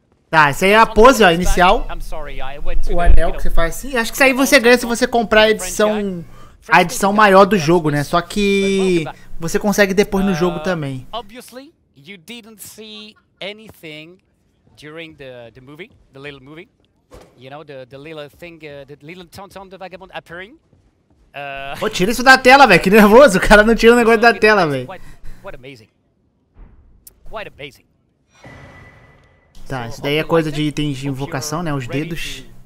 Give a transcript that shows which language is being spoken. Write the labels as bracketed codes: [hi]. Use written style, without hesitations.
[pt] Tá, isso aí é a pose, ó, inicial. O anel que você faz assim. Acho que isso aí você ganha se você comprar a edição maior do jogo, né? Só que você consegue depois no jogo também. [en] You didn't see anything during the movie, the little movie. You know, the little thing, the little tonton, the vagabond appearing. [pt] Pô, tira isso da tela, velho, que nervoso. O cara não tira o negócio da tela, velho. [en] Quite amazing. Quite amazing. [pt] Tá, isso daí é coisa de itens de invocação, né? Os dedos.